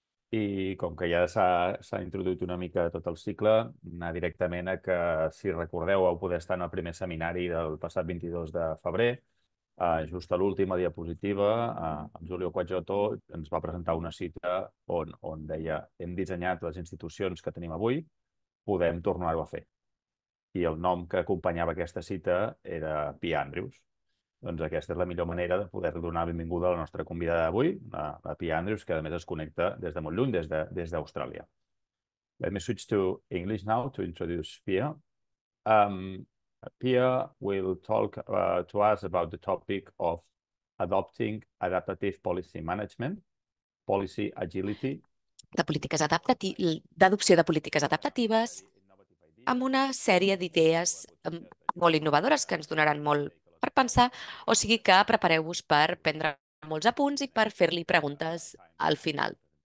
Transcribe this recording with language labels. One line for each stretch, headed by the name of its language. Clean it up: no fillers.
Catalan: I com que ja s'ha introduït una mica tot el cicle, anar directament a que, si recordeu, vau poder estar en el primer seminari del passat 22 de febrer, just a l'última diapositiva, en Julio Quagiotto ens va presentar una cita on deia: hem dissenyat les institucions que tenim avui, podem tornar-ho a fer. I el nom que acompanyava aquesta cita era Pia Andrews. Doncs aquesta és la millor manera de poder donar benvinguda a la nostra convidada d'avui, la Pia Andrews, que a més es connecta des de molt lluny, des d'Austràlia.
English: Let me switch to English now to introduce Pia. Pia will talk to us about the topic of adopting adaptive policy management, policy agility,
Catalan: d'adopció de polítiques adaptatives, amb una sèrie d'idees molt innovadores que ens donaran molt per pensar, o sigui que prepareu-vos per prendre molts apunts i per fer-li preguntes al final.